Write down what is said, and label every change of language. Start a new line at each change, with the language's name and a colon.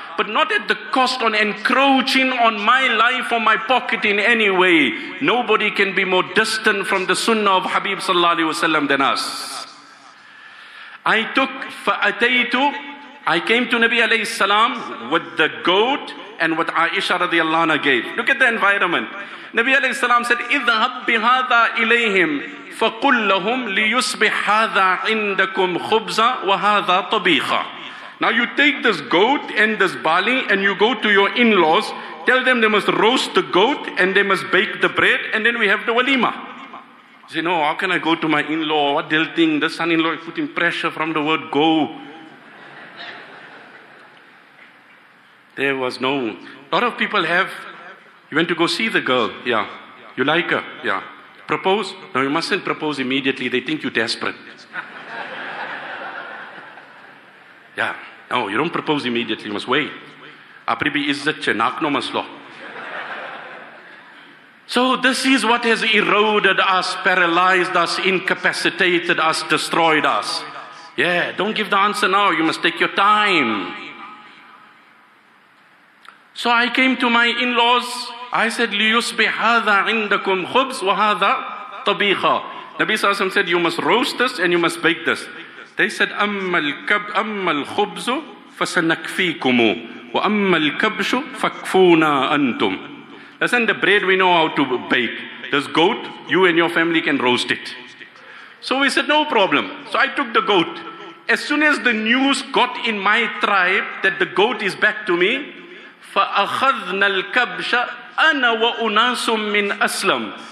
English: But not at the cost on encroaching on my life or my pocket in any way. Nobody can be more distant from the sunnah of Habib sallallahu alaihi wasallam than us. I took fa'ataytu. I came to Nabi alayhi salam with the goat and what Aisha radiallahu anha gave. Look at the environment. Nabi alayhi salam said,
Arabic: اِذْهَبْ بِهَذَا إِلَيْهِمْ فَقُلْ لَهُمْ لِيُصْبِحْ هَذَا عِنْدَكُمْ خُبْزًا وَهَذَا طَبِيخًا.
English: Now you take this goat and this barley and you go to your in-laws. Tell them they must roast the goat and they must bake the bread and then we have the walima. You say, no, how can I go to my in-law? What they'll think? The son-in-law is putting pressure from the word go. There was no... A lot of people have... You went to go see the girl. Yeah. You like her. Yeah. Propose. No, you mustn't propose immediately. They think you're desperate. Yeah. No, you don't propose immediately. You must wait. Apribi izzat che nakno maslo. So this is what has eroded us, paralyzed us, incapacitated us, destroyed us. Yeah, don't give the answer now. You must take your time. So I came to my in-laws. I said,
Arabic: لِيُصْبِحَذَا عِنْدَكُمْ خُبْزْ وَهَذَا طَبِيخَ.
English: Nabi Sallallahu Alaihi said, you must roast this and you must bake this. They said,
Arabic: أَمَّا الْخُبْزُ فَسَنَكْفِيكُمُ وَأَمَّا الْكَبْشُ فَكْفُونَا أَنْتُمْ.
English: Listen, the bread we know how to bake. This goat, you and your family can roast it. So we said, no problem. So I took the goat. As soon as the news got in my tribe that the goat is back to me,
Arabic: فَأَخَذْنَا الْكَبْشَ أَنَا وَأُنَاسٌ مِّنْ أَسْلَمْ.